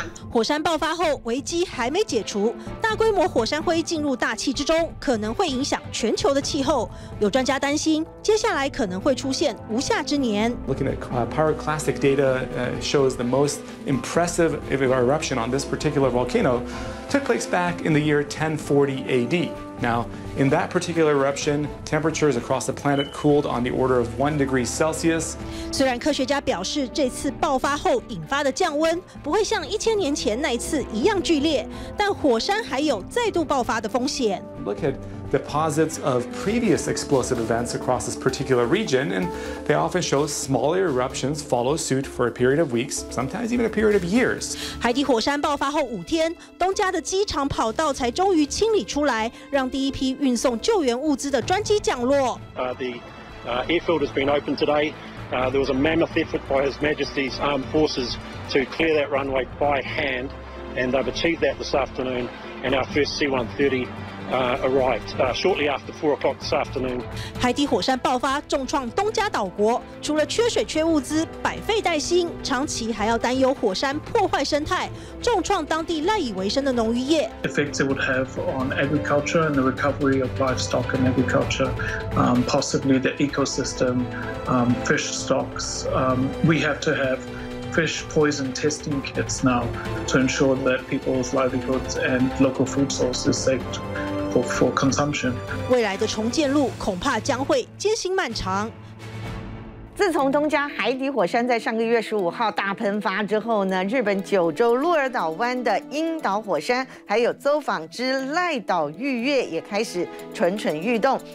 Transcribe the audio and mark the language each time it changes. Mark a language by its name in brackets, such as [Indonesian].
[Chinese] 火山爆发后，危机还没解除，大规模火山灰进入大气之中，可能会影响全球的气候。有专家担心，接下来可能会出现无夏之年。 [English] Looking at pyroclastic data shows the most impressive eruption on this particular volcano took place back in the year 1040 AD. Now, in that particular eruption, temperatures across the planet cooled on the order of 1°C. [Chinese] 虽然科学家表示这次爆发后引发的降温不会像1000年前那一次一样剧烈，但火山还有再度爆发的风险。 [English] Look at deposits of previous explosive events across this particular region, and they often show smaller eruptions follow suit for a period of weeks, sometimes even a period of years. [Chinese] 海底火山爆发后5天，东加的机场跑道才终于清理出来，让第一批运送救援物资的专机降落。 [English] The airfield has been opened today. There was a mammoth effort by His Majesty's Armed Forces to clear that runway by hand, and they've achieved that this afternoon. And our first C-130. Shortly after 4 o'clock this afternoon. [Chinese] 海底火山爆发重创东加岛国，除了缺水缺物资，百废待兴，长期还要担忧火山破坏生态，重创当地赖以为生的农渔业。 [English] Effects it would have on agriculture and the recovery of livestock and agriculture, possibly the ecosystem, fish stocks. We have to have. Fish poison testing kits now to ensure that people's livelihoods and local food sources are safe for consumption. [Chinese] 未来的重建路恐怕将会艰辛漫长。自从东加海底火山在上个月15号大喷发之后呢，日本九州鹿儿岛湾的冰岛火山，还有邹访之濑岛玉月也开始蠢蠢欲动。